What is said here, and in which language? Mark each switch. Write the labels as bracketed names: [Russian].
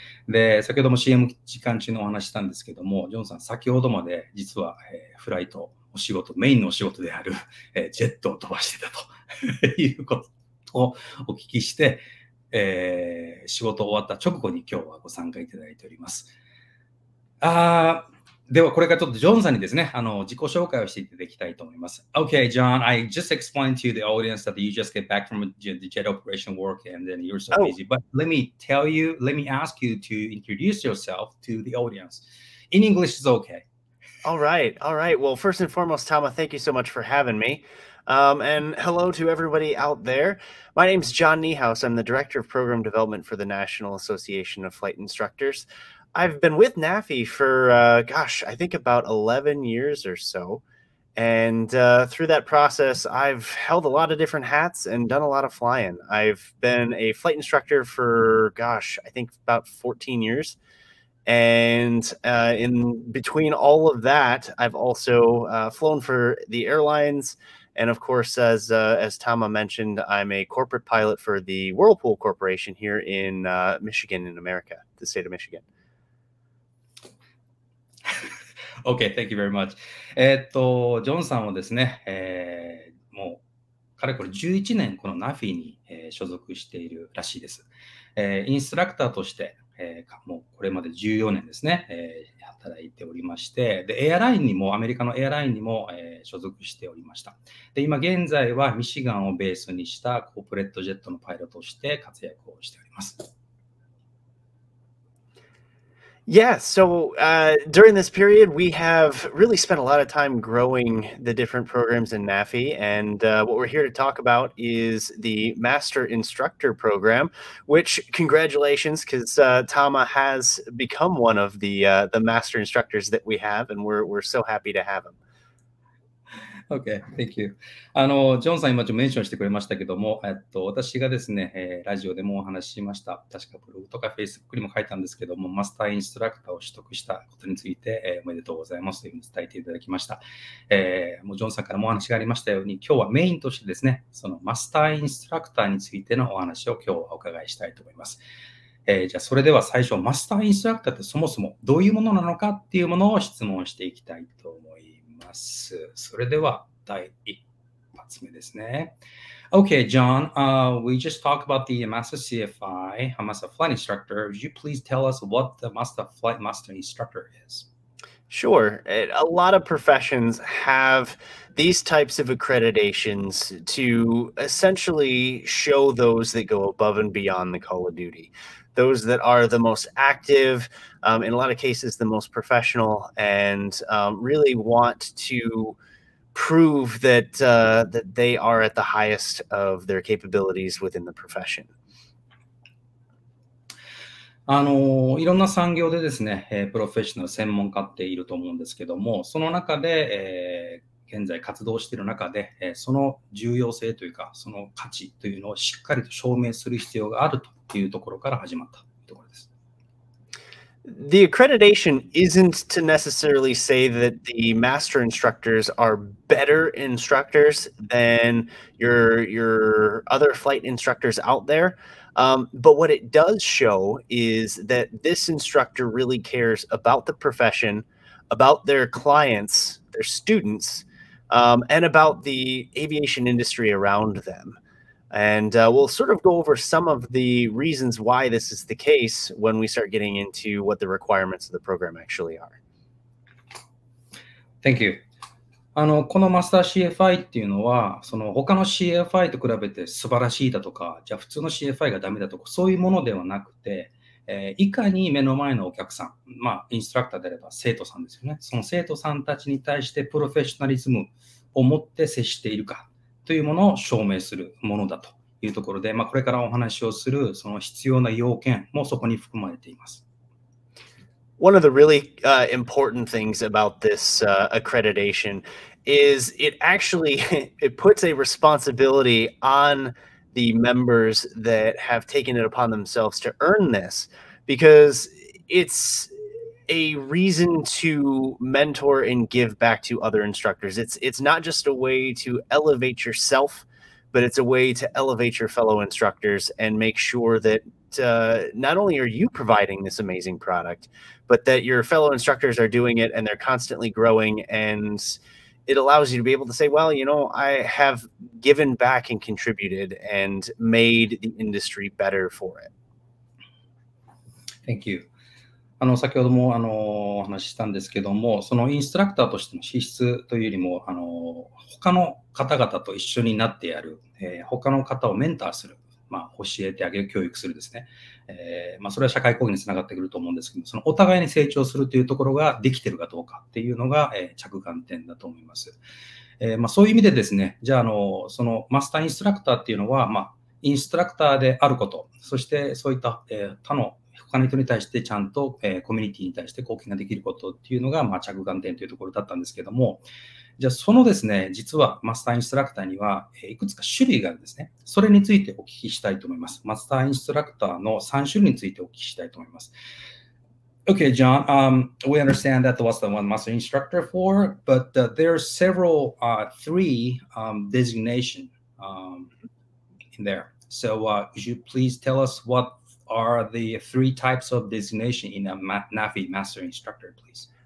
[Japanese] で、先ほども CM 時間中のお話したんですけども、ジョンさん、先ほどまで実は、フライト、お仕事、メインのお仕事である、ジェットを飛ばしてたということをお聞きして、仕事終わった直後に今日はご参加いただいております。ではこれからちょっとジョンさんにですね、自己紹介をしていただきたいと思います。 [English] Okay, John, I just explained to the audience that you just get back from the jet operation work and then you're so busy. But let me ask you to introduce yourself to the audience. In English is okay. All right. Well, first and foremost, Tama, thank you so much for having me. And hello to everybody out there. My name is John Niehaus. I'm the Director of Program Development for the National Association of Flight Instructors. I've been with NAFI for, I think about 11 years or so. And through that process, I've held a lot of different hats and done a lot of flying. I've been a flight instructor for, I think about 14 years. And in between all of that, I've also flown for the airlines. And of course, as Tama mentioned, I'm a corporate pilot for the Whirlpool Corporation here in Michigan in America, the state of Michigan. OK, thank you very much. [Japanese] ジョンさんはですね、もうかれこれ11年この NAFI に、所属しているらしいです。インストラクターとして、もうこれまで14年ですね、働いておりまして、でエアラインにもアメリカのエアラインにも、所属しておりました。で今現在はミシガンをベースにしたコーポレットジェットのパイロットとして活躍をしております。 [English] Yeah, so during this period, we have really spent a lot of time growing the different programs in NAFI. And what we're here to talk about is the Master Instructor Program, which, congratulations, because Tama has become one of the Master Instructors that we have, and we're so happy to have him. Okay, thank you. [Japanese] ジョンさん、今ちょっとメンションしてくれましたけども、私がですね、ラジオでもお話ししました。確かブログとかフェイスブックにも書いたんですけども、マスターインストラクターを取得したことについて、おめでとうございますというふうに伝えていただきました。もうジョンさんからもお話がありましたように、今日はメインとしてですね、そのマスターインストラクターについてのお話を今日はお伺いしたいと思います。じゃあそれでは最初、マスターインストラクターってそもそもどういうものなのかっていうものを質問していきたいと思います。それでは第一発目ですね。 [English] Okay, John, we just talked about the Master CFI, Master Flight Instructor. Would you please tell us what the Master Flight Master Instructor is? Sure. A lot of professions have these types of accreditations to essentially show those that go above and beyond the call of duty. Those that are the most active, in a lot of cases, the most professional, and really want to prove that that they are at the highest of their capabilities within the profession. [Japanese] いろんな産業でですね、プロフェッショナル、専門家っていると思うんですけども、その中で、現在活動している中で、その重要性というか、その価値というのをしっかりと証明する必要があると。 [English] The accreditation isn't to necessarily say that the master instructors are better instructors than your other flight instructors out there. But what it does show is that this instructor really cares about the profession, about their clients, their students, and about the aviation industry around them. And we'll sort of go over some of the reasons why this is the case when we start getting into what the requirements of the program actually are. Thank you. [Japanese] このマスター CFI っていうのは、その他の CFI と比べて素晴らしいだとか、じゃあ普通の CFI がダメだとか、そういうものではなくて、いかに目の前のお客さん、まあインストラクターであれば生徒さんですよね。その生徒さんたちに対してプロフェッショナリズムを持って接しているか。というものを証明するものだというところで、まあ、これからお話をするその必要な要件もそこに含まれています。 [English] One of the really important things about this accreditation is it actually it puts a responsibility on the members that have taken it upon themselves to earn this, because it's a reason to mentor and give back to other instructors. It's not just a way to elevate yourself, but it's a way to elevate your fellow instructors and make sure that not only are you providing this amazing product, but that your fellow instructors are doing it and they're constantly growing. And it allows you to be able to say, well, you know, I have given back and contributed and made the industry better for it. Thank you. [Japanese] 先ほどもお話ししたんですけども、そのインストラクターとしての資質というよりも、他の方々と一緒になってやる、他の方をメンターする、まあ、教えてあげる、教育するですね、まあ、それは社会貢献につながってくると思うんですけど、そのお互いに成長するというところができてるかどうかっていうのが、着眼点だと思います。まあ、そういう意味でですね、じゃあ、そのマスターインストラクターっていうのは、まあ、インストラクターであること、そしてそういった、他の他の人に対してちゃんと、コミュニティに対して貢献ができることっていうのが、まあ、着眼点というところだったんですけども、じゃあそのですね、実はマスターインストラクターには、いくつか種類があるんですね。それについてお聞きしたいと思います。マスターインストラクターの3種類についてお聞きしたいと思います。 [English] Okay, John, we understand that was the one master instructor for, but there are several, three designation in there. So could you please tell us whatare the three types of designation in a NAFI master instructor, please?